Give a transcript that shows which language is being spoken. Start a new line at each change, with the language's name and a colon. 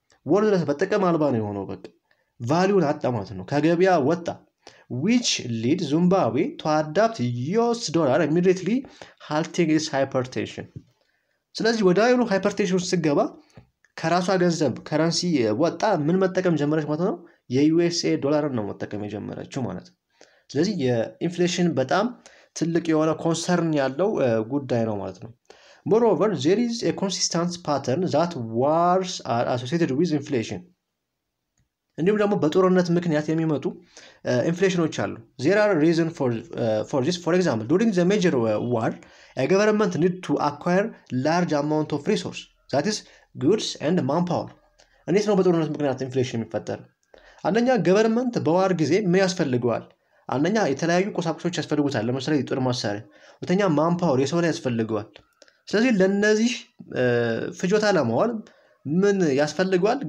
Amharic: worthless በጥቅም አልባ ነው የሆነው በቃ ቫልዩን አጣ ማለት ነው ከገበያ ወጣ።
English: Which led Zimbabwe to adopt US dollar immediately, halting its hypertension.
Amharic: ስለዚህ ወዳዩኑ ሃይፐርቴንሽን ሲገባ ከራሷ ገንዘብ ካረንሲ ወጣ ምን መጠቀም ጀመረች ማለት ነው? የዩኤስኤ ዶላርን ነው መጠቀም የጀመረችው ማለት ነው። ስለዚህ የኢንፍሌሽን በጣም ትልቅ የሆነ ኮንሰርን ያለው ጉዳይ ነው ማለት ነው።
English: Moreover, there is a consistent pattern that wars are associated with inflation.
Amharic: እንዲሁም ደግሞ በጦርነት ምክንያት የሚመጡ ኢንፍሌሽኖች አሉ።
English: There are reason for this. For example, during the major war, a government need to acquire large amount of resources, that is goods and manpower.
Amharic: እነዚህ ነው በጦርነት ምክንያት ኢንፍሌሽን የሚፈጠር። አንደኛ government በዋር ጊዜ ምን ያስፈልገዋል? አንደኛ የተለያዩ ቁሳቁሶች ያስፈልጉታል፣ ለምሳሌ ጦር መሳሪያ። ሁለተኛ manpower የሰው ኃይል ያስፈልገዋል። ስለዚህ ለነዚህ ፍጆታ ለማዋል ምን ያስፈልጋል?